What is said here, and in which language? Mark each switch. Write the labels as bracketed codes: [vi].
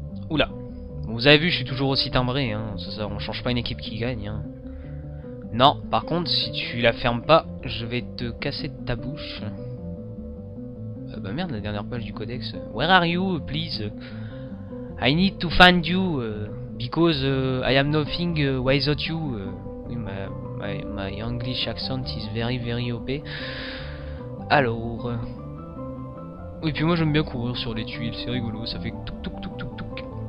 [fr] Oula. Vous avez vu, je suis toujours aussi timbré, hein. Ça, on change pas une équipe qui gagne, hein. Non, par contre, si tu la fermes pas, je vais te casser ta bouche. Bah merde, la dernière page du codex. [en] Where are you, please? I need to find you, because I am nothing without you. Oui, my English accent is very, very OP. [fr] Alors... Oui, puis moi, j'aime bien courir sur les tuiles, c'est rigolo, ça fait touc, touc, touc, touc, touc.